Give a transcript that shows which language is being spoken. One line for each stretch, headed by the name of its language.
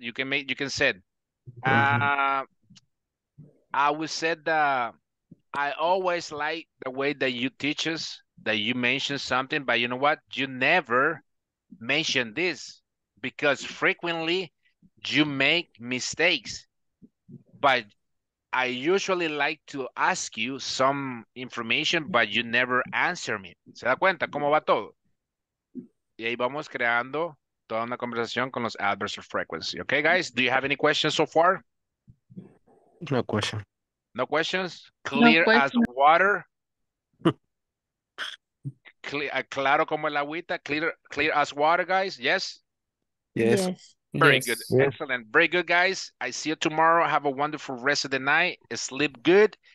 English: You can say, I would say that I always like the way that you teach us, that you mention something, but you know what? You never mention this because frequently you make mistakes. But I usually like to ask you some information, but you never answer me.
Spanish: ¿Se da cuenta cómo va todo? Y ahí vamos creando toda una conversación con los
English: adverbs of frequency. Okay, guys, do you have any questions so far? No question. No questions? Clear no question. As water?
Spanish: Claro como el agüita?
English: Clear as water, guys? Yes? Yes. Very yes. Good. Yes. Excellent. Very good, guys. I see you tomorrow. Have a wonderful rest of the night. Sleep good.